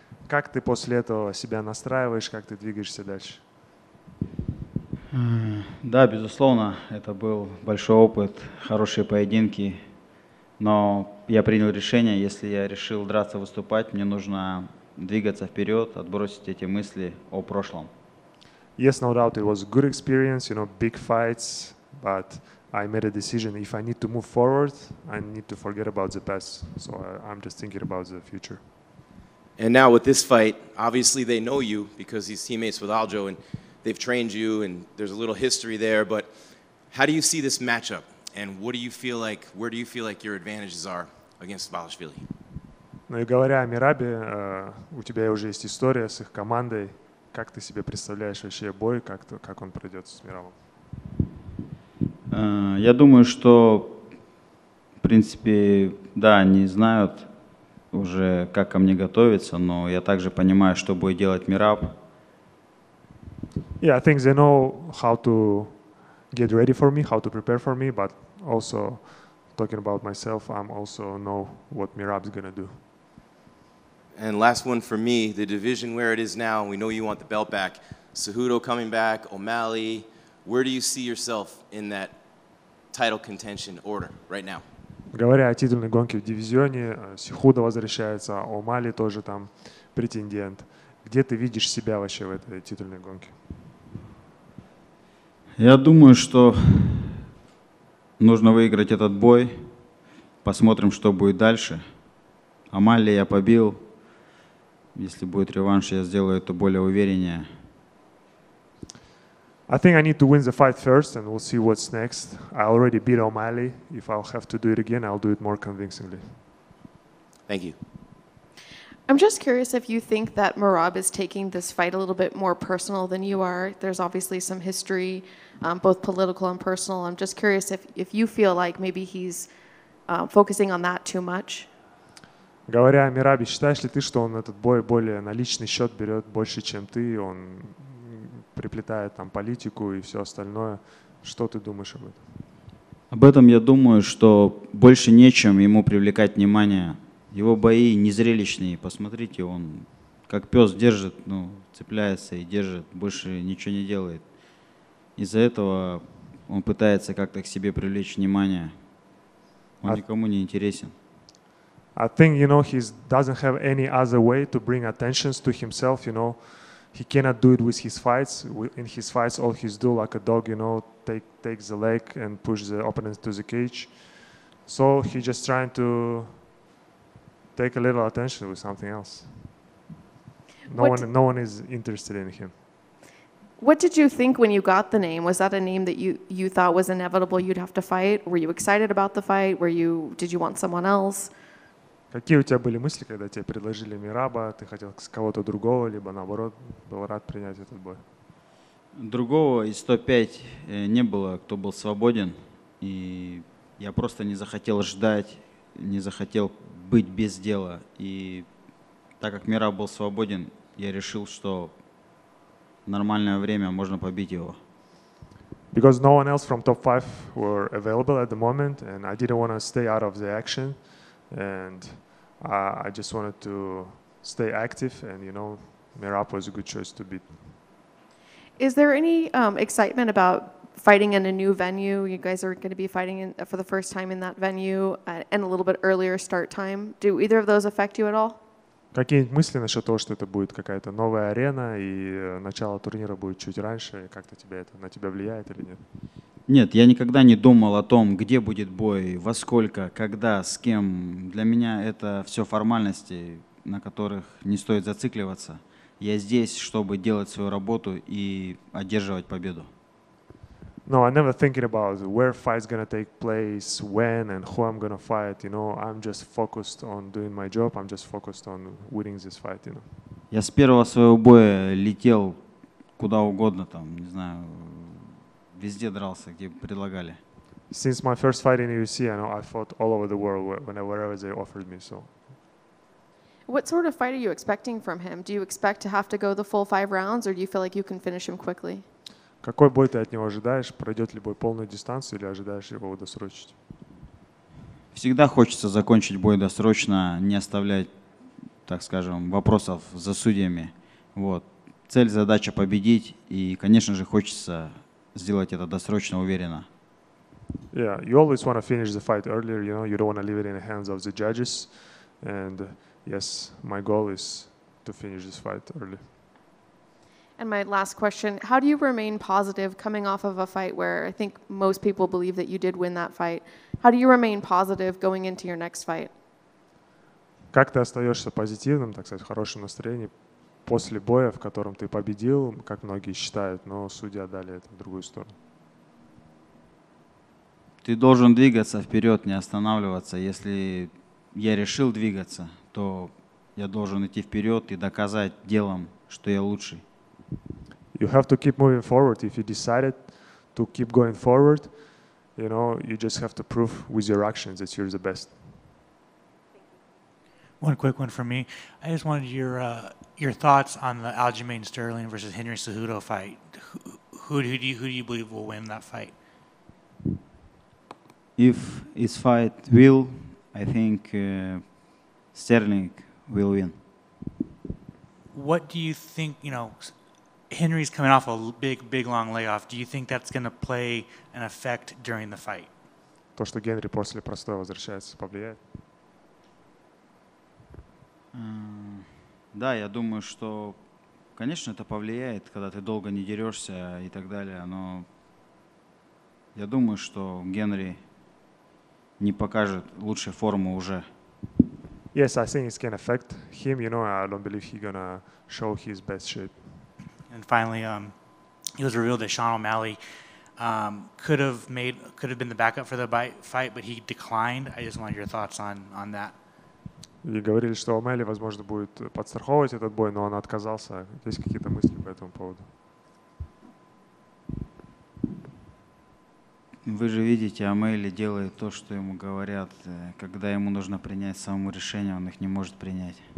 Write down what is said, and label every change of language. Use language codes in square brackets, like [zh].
[ru] Как ты после этого себя настраиваешь, как ты двигаешься дальше? Да, безусловно, это был большой опыт, хорошие поединки. Но я принял решение, если я решил драться, выступать, мне нужно двигаться вперед, отбросить эти мысли о прошлом. [en] Yes, no doubt, it was a good experience, you know, big fights, but I made a decision. If I need to move forward, I need to forget about the past. So I'm just thinking about the future. And now with this fight, obviously they know you because he's teammates with Aljo and they've trained you and there's a little history there. But how do you see this matchup? And what do you feel like, where do you feel like your advantages are against Dvalishvili? [ru] Ну и говоря о Мерабе, у тебя уже есть история с их командой. Как ты себе представляешь вообще бой, как он пройдет с Мерабом? Я думаю, что, в принципе, да, они знают уже, как ко мне готовиться, но я также понимаю, что будет делать Мерап. [en] Yeah, I think they know how to get ready for me, how to prepare for me, but also talking about myself, I also know what Merab is gonna do. And last one for me, the division where it is now, we know you want the belt back. Cejudo coming back, O'Malley, where do you see yourself in that title contention order right now? [ru] Говоря о титульной гонке в дивизионе, Сихуда возвращается, О'Малли тоже там претендент. Где ты видишь себя вообще в этой титульной гонке? Я думаю, что нужно выиграть этот бой. Посмотрим, что будет дальше. О'Малли я побил. Если будет реванш, я сделаю это более увереннее. [en] I think I need to win the fight first, and we'll see what's next. I already beat O'Malley. If I'll have to do it again, I'll do it more convincingly. Thank you. I'm just curious if you think that Merab is taking this fight a little bit more personal than you are. There's obviously some history, both political and personal. I'm just curious if you feel like maybe he's focusing on that too much. [ru] Говоря о Мерабе, считаешь ли ты, что он этот бой более на личный счет берет больше, чем ты? Он приплетает там политику и все остальное. Что ты думаешь об этом? Об этом я думаю, что больше нечем ему привлекать внимание. Его бои незрелищные. Посмотрите, он как пес держит, ну, цепляется и держит, больше ничего не делает. Из-за этого он пытается как-то к себе привлечь внимание. Он никому не интересен. [en] I think, you know, he doesn't have any other way to bring attention to himself, you know. He cannot do it with his fights. In his fights, all he's do like a dog, you know, take the leg and push the opponent to the cage. So he's just trying to take a little attention with something else. No one is interested in him. What did you think when you got the name? Was that a name that you thought was inevitable you'd have to fight? Were you excited about the fight? Did you want someone else? [ru] Какие у тебя были мысли, когда тебе предложили Мераба? Ты хотел с кого-то другого, либо наоборот, был рад принять этот бой? Другого из топ-5 не было, кто был свободен. И я просто не захотел ждать, не захотел быть без дела. И так как Мераб был свободен, я решил, что в нормальное время можно побить его. [en] Because no one else from топ-5 were available at the moment, and I didn't want to stay out of the action. And I just wanted to stay active, and you know, Merab was a good choice to beat. Is there any excitement about fighting in a new venue? You guys are going to be fighting for the first time in that venue, and a little bit earlier start time. Do either of those affect you at all? [ru] Какие мысли насчет того, что это будет какая-то новая арена и начало турнира будет чуть раньше? Как-то тебе это на тебя влияет или нет? Нет, я никогда не думал о том, где будет бой, во сколько, когда, с кем. Для меня это все формальности, на которых не стоит зацикливаться. Я здесь, чтобы делать свою работу и одерживать победу. [en] No, I never thinking about where fight's gonna take place, when and who I'm gonna fight. You know, I'm just focused on doing my job. I'm just focused on winning this fight. You know. [ru] Я с первого своего боя летел куда угодно, там, не знаю, везде дрался, где предлагали. [en] Since my first fight in UFC, you know, I fought all over the world wherever they offered me. So. What sort of fight are you expecting from him? Do you expect to have to go the full five rounds, or do you feel like you can finish him quickly? [ru] Какой бой ты от него ожидаешь? Пройдет ли бой полную дистанцию или ожидаешь его досрочить? Всегда хочется закончить бой досрочно, не оставлять, так скажем, вопросов за судьями. Вот. Цель, задача победить, и, конечно же, хочется сделать это досрочно, уверенно. [en] Yeah, you always want to finish the fight earlier, you know, you don't want to leave it in the hands of the judges. And yes, my goal is to finish this fight early. And my last question, how do you remain positive coming off of a fight where I think most people believe that you did win that fight? How do you remain positive going into your next fight? [ru] Как ты остаешься позитивным, так сказать, в хорошем настроении после боя, в котором ты победил, как многие считают, но судьи отдали это в другую сторону? Ты должен двигаться вперед, не останавливаться. Если я решил двигаться, то я должен идти вперед и доказать делом, что я лучший. [en] You have to keep moving forward. If you decided to keep going forward, you know, you just have to prove with your actions that you're the best. One quick one for me. I just wanted your thoughts on the Aljamain Sterling versus Henry Cejudo fight. Who do you believe will win that fight? If his fight will, I think Sterling will win. What do you think, you know, Henry's coming off a big, big long layoff. Do you think that's going to play an effect during the fight? [ru] То, что Генри после простоя возвращается, повлияет? Да, я думаю, что, конечно, это повлияет, когда ты долго не дерешься и так далее, но я думаю, что Генри не покажет лучшей формы уже. [en] Yes, I think it's going to affect him. You know, I don't believe he's going to show his best shape. And finally, it was revealed that Sean O'Malley could have been the backup for the fight, but he declined. I just wanted your thoughts on that. You [ru] говорили, что O'Malley, возможно, будет подстраховывать этот бой, но он отказался. Есть какие-то мысли по этому поводу? Вы же видите, О'Малли делает то, что ему говорят. Когда ему нужно принять само решение, он их не может принять.